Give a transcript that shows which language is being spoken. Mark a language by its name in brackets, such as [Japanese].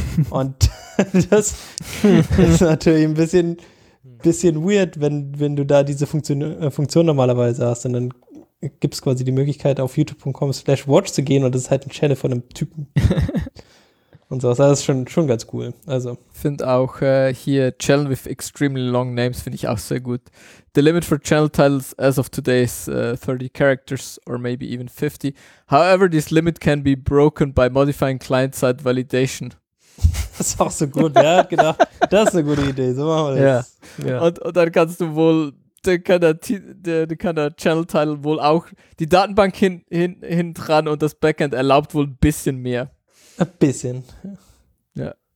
[German] Und das ist natürlich ein bisschen weird, wenn du da diese Funktion normalerweise hast. Und dann gibt es quasi die Möglichkeit, auf youtube.com/watch zu gehen und das ist halt ein Channel von einem Typen. Und sowas. Das ist schon ganz cool. Also finde auch hier [English] Channel with extremely long names, [German] finde ich auch sehr gut. [English] The limit for channel titles as of today is 30 characters or maybe even 50. However, this limit can be broken by modifying client-side validation. [German] Das ist auch so gut, wer hat gedacht, das ist eine gute Idee, so machen wir das. Ja. Und dann kannst du wohl, dann kann der Channel-Title wohl auch die Datenbank hin dran und das Backend erlaubt wohl ein bisschen mehr. Ein bisschen. Ja.